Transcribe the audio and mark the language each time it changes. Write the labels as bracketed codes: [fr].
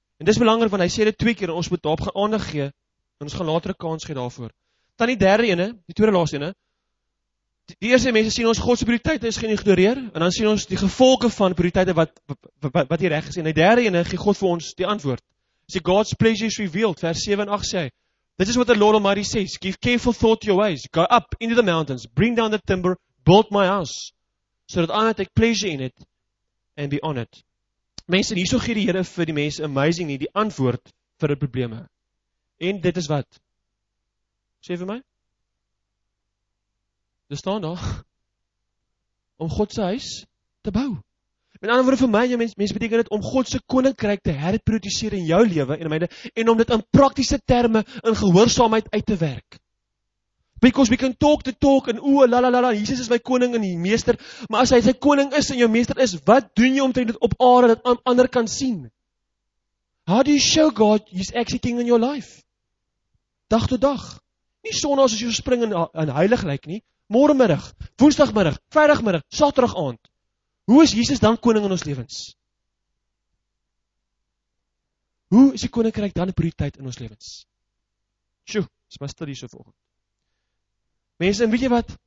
[af] En dis belangrik, want hy sê dit twee keer, ons moet daarop gaan aandag gee, en ons gaan later 'n kans gee daarvoor. Dan die derde ene, die tweede laaste ene, die eerste mense sien ons Godse prioriteite is geïgnoreer, en dan sien ons die gevolge van prioriteite wat hier reg is, en die derde ene gee God vir ons die antwoord. [en] Sê, God's pleasure is revealed, [af] vers 7 en 8 sê, [en] this is what the Lord Almighty says, give careful thought to your ways, go up into the mountains, bring down the timber, build my house, so that I may take pleasure in it, and be honored. [af] Mense, hierso gee die Here vir die mense amazing nie, die antwoord vir die probleme. En dit is wat? Sê vir my? Dit staan daar, om God se huis te bou. Met ander woorde vir my, jou mens beteken dit om God se koninkryk te herproduseer in jou lewe en in myde, en om dit in praktiese terme in gehoorsaamheid uit te werk. [en] Because we can talk the talk [af] en Jesus is my koning en die meester, maar as hy sy koning is en jou meester is, wat doen jy omtrent dit op aarde dat ander kan sien? [en] How do you show God he's actually king in your life? [af] Dag tot dag. Nie sondag as jy spring en heilig lyk nie. Môremiddag, woensdagmiddag, vrydagmiddag, saterdagaand. Hoe is Jesus dan koning in ons lewens? Hoe is die koninkryk dan 'n prioriteit in ons lewens? Sjoe, dis my studie so vanoggend. Mense, en weet jy wat?